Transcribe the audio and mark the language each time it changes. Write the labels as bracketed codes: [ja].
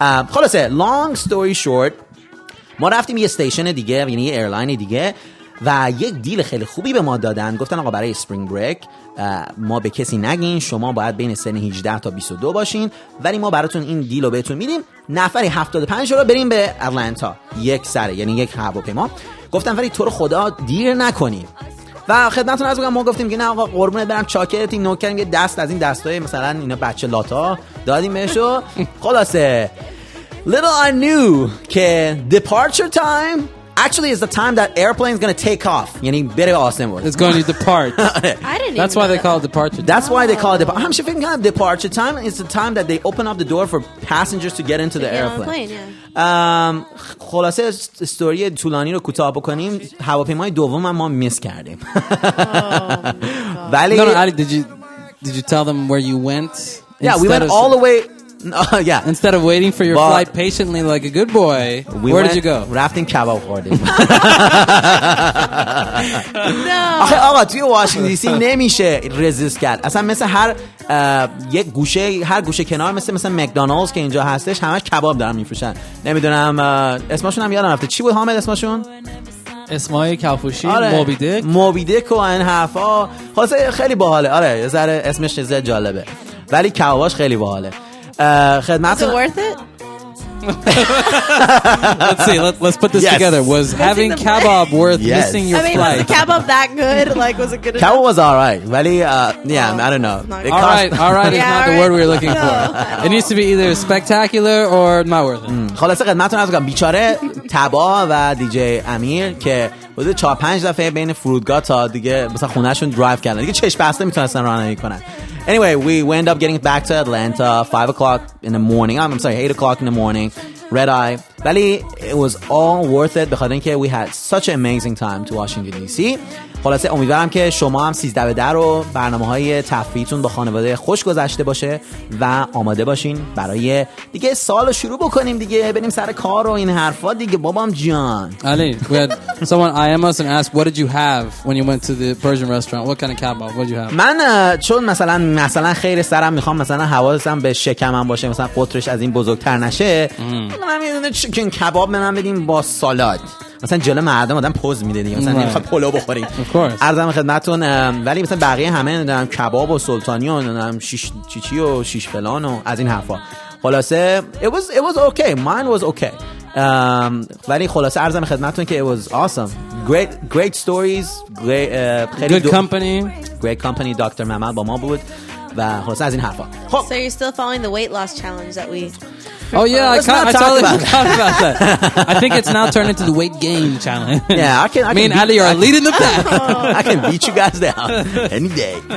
[fa] خلاصه [en] long story short [fa] ما رفتیم یه استیشن دیگه یعنی یه ایرلاین دیگه و یک دیل خیلی خوبی به ما دادن گفتن آقا برای [en] spring break [fa] ما به کسی نگین شما باید بین سن 18 تا 22 باشین ولی ما براتون این دیل رو بهتون میدیم نفری 75 رو بریم به اتلانتا یک سره یعنی یک هواپیما. گفتن ولی تو رو خدا دیر نکنین و خدمتتون عرض بگم ما گفتیم که نه آقا قربونت برم چاکرت این نوکرم یه دست از این دستای مثلا اینا بچه لاتا دادیم بهش. [en] خلاصه little I knew که departure time actually is the time that airplane is going to take off. [fa] یعنی بره به آسمون. [en] It's going to depart. That's why they call it departure time. That's why they call it departure. I'm sure thinking of departure time is the time that they open up the door for passengers to get into the airplane. [fa] خلاصه استوری طولانی رو کوتاه بکنیم. هواپیمای دوم ما میس کردیم. [en] ولی No, Ali, did you tell them where you went? Yeah, we went all the way yeah. Instead of waiting for your flight patiently like a good boy, where did you go? Rafting kebab hoarding. No. [fa] آخه آقا توی واشنگتن دی سی نمیشه رزیست کرد. اصلا مثل هر یک گوشه هر گوشه کنار مثل مکدونالدز که اینجا هستش همش کباب دارن میفروشن. نمیدونم اسمشون هم یادم رفته. چی بود حامد اسمشون؟ اسمای کفوشی آره. موبیدک و این حرفا. خلاصه خیلی باحاله. آره یه ذره اسمش زیاد جالبه. ولی کباباش خیلی باحاله. [en] Was it worth it? Let's see. Let's put this yes. together. Was having kebab worth yes. missing your flight? I mean, was the kebab that good? Like, was it good? Kebab was all right. Really, yeah, well, I don't know. It all right, all right is not the word we were looking for. It needs to be either spectacular or not worth it. [fa] خلاص خدمتتون عرض می‌کنم بیچاره تبا و دیجی امیر که بوده 4-5 دفعه بین فرودگاه تا دیگه مثلا خونهشون درایو کردن دیگه چشم بسته میتونستن رانندگی کنن. [en] Anyway, we end up getting back to Atlanta 5 o'clock in the morning. I'm sorry, 8 o'clock in the morning. Red eye. ولی it was all worth it [fa] بخاطر اینکه [en] we had such an amazing time to Washington DC. [fa] خلاصه امیدوارم که شما هم 13 به در و برنامه های تفریحیتون با خانواده خوش گذشته باشه و آماده باشین برای دیگه سال شروع بکنیم دیگه بریم سر کار و این حرفا دیگه بابام جان. [en] علی we had someone IM us and asked what did you have when you went to the Persian restaurant, what kind of kebab, what did you have? [fa] من چون مثلا خیر سرم میخوام مثلا حواسم به شکمم باشه مثلا قطرش از این بزرگتر نشه میگم یه دونه چیکن کباب به من بدیم با سالاد مثلا جلو مردم آدم پوز میده دیگه مثلا نمیخواد پلو بخوری. عرضم خدمتتون ولی مثلا بقیه همه ندارم کباب و سلطانی و ندارم شیش چیچی و شیش فلان و از این حرفا. [en] خلاصه it was okay, mine was okay. [fa] ولی خلاصه عرضم خدمتتون که [en] it was awesome, great stories, great company [fa] دکتر ممل با ما بود و خلاصه از این حرفا. خب [en] so you're still following the weight loss challenge that we Oh yeah, I totally forgot about that. I think it's now turned into the weight gain challenge. Yeah, I can me and Ali are leading the pack. I can beat you guys down any day.